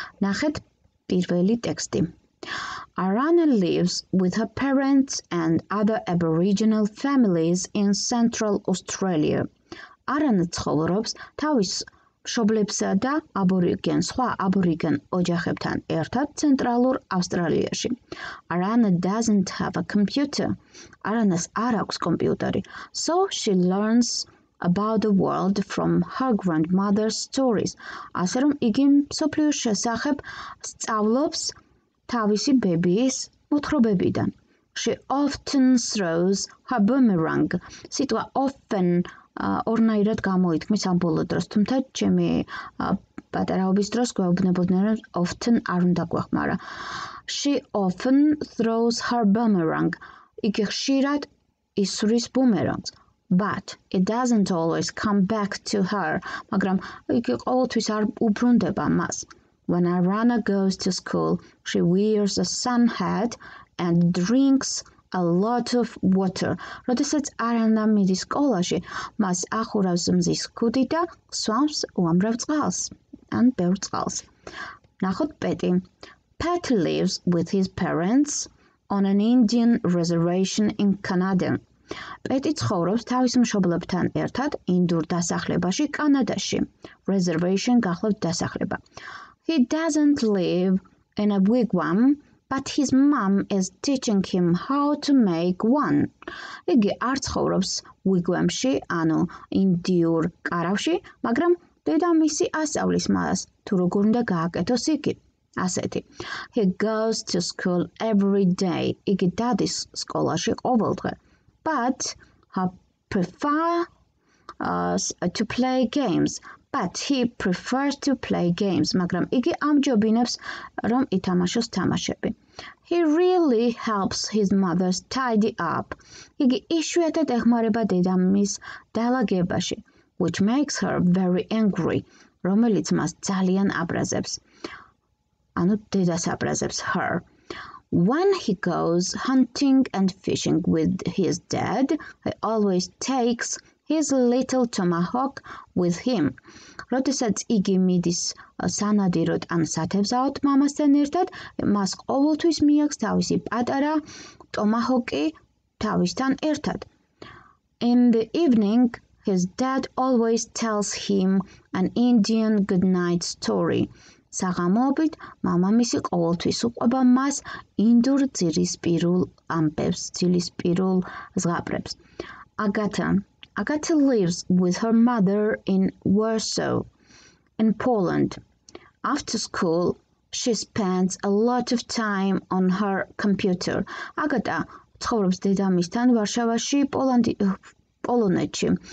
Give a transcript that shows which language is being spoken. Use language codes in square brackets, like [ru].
[ka] ნახეთ პირველი ტექსტი. [en] Arana lives with her parents and other Aboriginal families in Central Australia. [ka] Arana ცხოვრობს თავის მშობლებსა და აბორიგენ სხვა აბორიგენ ოჯახებთან ერთად ცენტრალურ ავსტრალიაში. [en] Arana doesn't have a computer. [ka] Arana-ს არ აქვს კომპიუტერი. [en] So she learns about the world from her grandmother's stories. [ka] ასე რომ იგი მსოფლიოს შესახებ სწავლობს თავისი ბებიის მოთხრობებიდან. [en] She often throws her boomerang. [ka] სიტყვა often ორნაირად გამოითქმის ამ ბოლო დროს, თუმცა ჩემი პატარაობის დროს გვეუბნებოდნენ, რომ often არ უნდა გვეხმარა. [en] She often throws her boomerang. [ka] იგი ხშირად ისვრის ბუმერანგს. [en] But it doesn't always come back to her. [ka] მაგრამ იგი ყოველთვის არ უბრუნდება მას. [en] When Arana goes to school, she wears a sun hat and drinks a lot of water. [ka] როდესაც არანა მიდის სკოლაში, მას ახურავს მზის ქუდი და სვამს უამრავ წყალს, ან ბევრ წყალს. ნახოთ პეტი. [en] Pat lives with his parents on an Indian reservation in Canada. [ka] პეტი ცხოვრობს თავის მშობლებთან ერთად ინდურ დასახლებაში კანადაში. Reservation გახლავთ დასახლება. [en] He doesn't live in a wigwam. But his mom is teaching him how to make one. [ka] იგი არ ცხოვრობს wigwam-ში, ანუ ინდიურ каравში, მაგრამ დედამისი ასწავლის მას, თუ როგორ უნდა გააკეთოს იგი. ასეთი. [en] He goes to school every day. [ka] იგი დადის სკოლაში ყოველ დღე. [en] But he prefers to play games. But he prefers to play games, [ka] მაგრამ იგი ამჯობინებს რომ ითამაშოს თამაშები. [en] He really helps his mother tidy up. [ka] იგი იშვიათად ეხმარება დედამისს დალაგებაში, [en] which makes her very angry, [ka] რომელიც მას ძალიან აბრაზებს. ანუ დედას აბრაზებს her. [en] When he goes hunting and fishing with his dad, he always takes his little tomahawk with him. [ka] როდესაც იგი მიდის სანადიროდ ან სათევზაოდ მამასთან ერთად, მას ყოველთვის მიაქვს თავისი პატარა ტომაჰოკი თავისთან ერთად. [en] In the evening, his dad always tells him an Indian goodnight story. [ka] საღამოობით მამამისი ყოველთვის უყვება მას ინდურ ძილისპირულ ამბებს, ძილისპირულ ზღაპრებს. [en] Agata lives with her mother in Warsaw, in Poland. After school, she spends a lot of time on her computer. [ka] Agata ცხოვრობს დედამისთან ვარშავაში, პოლონეთში.